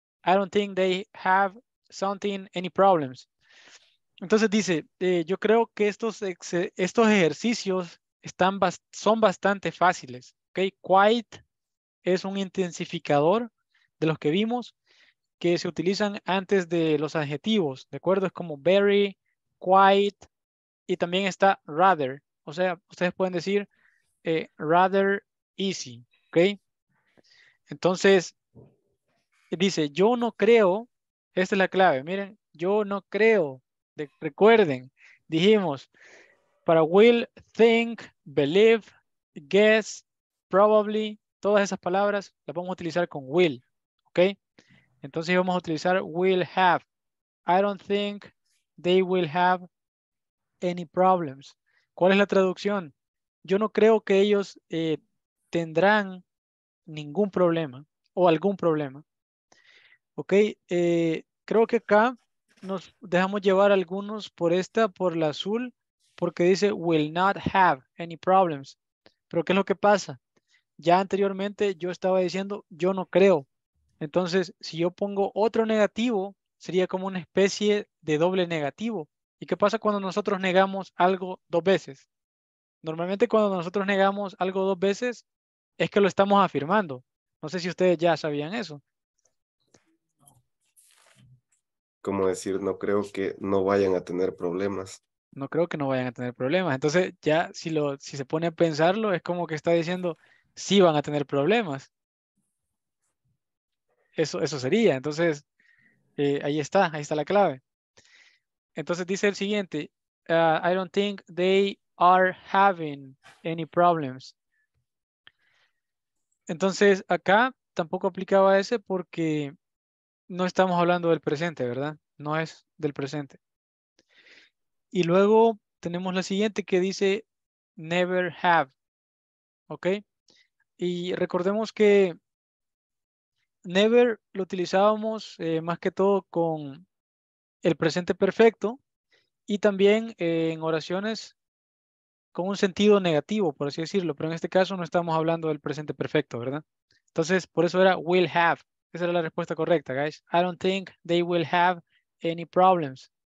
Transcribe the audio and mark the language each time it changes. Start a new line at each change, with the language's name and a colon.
English: I don't think they have something, any problems.
Spanish: Entonces dice, yo creo que estos ejercicios son bastante fáciles. Okay? Quite es un intensificador de los que vimos que se utilizan antes de los adjetivos. ¿De acuerdo? Es como very, quite y también está rather. O sea, ustedes pueden decir
English: rather easy.
Spanish: ¿Ok? Entonces, dice, yo no creo, esta es la clave, miren, yo no creo, recuerden, dijimos, para will, think, believe, guess, probably, todas esas palabras las vamos a utilizar con will, ¿ok? Entonces vamos a utilizar will have.
English: I don't think they will have any problems.
Spanish: ¿Cuál es la traducción? Yo no creo que ellos tendrán ningún problema o algún problema. Ok, creo que acá nos dejamos llevar algunos por esta, por la azul, porque dice
English: will not have any problems.
Spanish: Pero ¿qué es lo que pasa? Ya anteriormente yo estaba diciendo yo no creo. Entonces, si yo pongo otro negativo, sería como una especie de doble negativo. ¿Y qué pasa cuando nosotros negamos algo dos veces? Normalmente cuando nosotros negamos algo dos veces, es que lo estamos afirmando. No sé si ustedes ya sabían eso. ¿Cómo decir? No creo que no vayan a tener problemas. No creo que no vayan a tener problemas. Entonces ya si se pone a pensarlo, es como que está diciendo sí van a tener problemas. Eso sería. Entonces Ahí está la clave. Entonces dice el siguiente,
English: I don't think they are having any problems.
Spanish: Entonces acá tampoco aplicaba ese porque no estamos hablando del presente, ¿verdad? No es del presente. Y luego tenemos la siguiente que dice never have, ¿ok? Y recordemos que never lo utilizábamos más que todo con el presente perfecto y también en oraciones con un sentido negativo, por así decirlo. Pero en este caso no estamos hablando del presente perfecto, ¿verdad? Entonces, por eso era will have. Esa era la respuesta correcta, guys.
English: I don't think they will have any problems.